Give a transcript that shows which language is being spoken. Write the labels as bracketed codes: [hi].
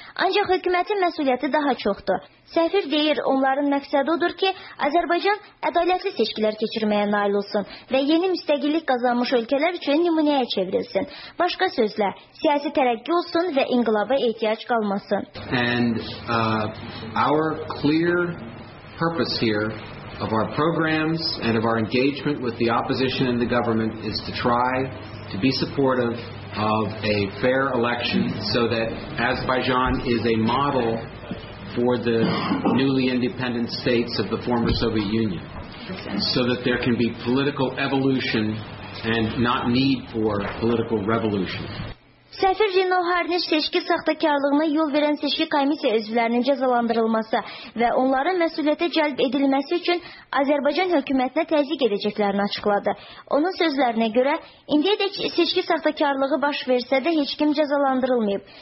[az] Ancaq hökumətin məsuliyyəti daha çoxdur. Səfir deyir, onların məqsədi odur ki, Azərbaycan ədalətli seçkilər keçirməyə nail olsun və yeni müstəqillik qazanmış ölkələr üçün nümunəyə çevrilsin. Başqa sözlə, siyasi tərəqqi olsun və inqilaba ehtiyac qalmasın. [en] And our clear purpose here of our programs and of our engagement with the opposition and the government is to try to be supportive of a fair election so that Azerbaijan is a model for the newly independent states of the former Soviet Union, so that there can be political evolution and not need for political revolution. [az] Səfir Rino Harniş seçki saxtakarlığına yol verən seçki komissiya üzvlərinin cəzalandırılması və onların məsuliyyətə cəlb edilməsi üçün Azərbaycan hökumətinə təzyiq edəcəklərini açıqladı. Onun sözlərinə görə, indiyədək seçki saxtakarlığı baş versə də heç kim cəzalandırılmayıb.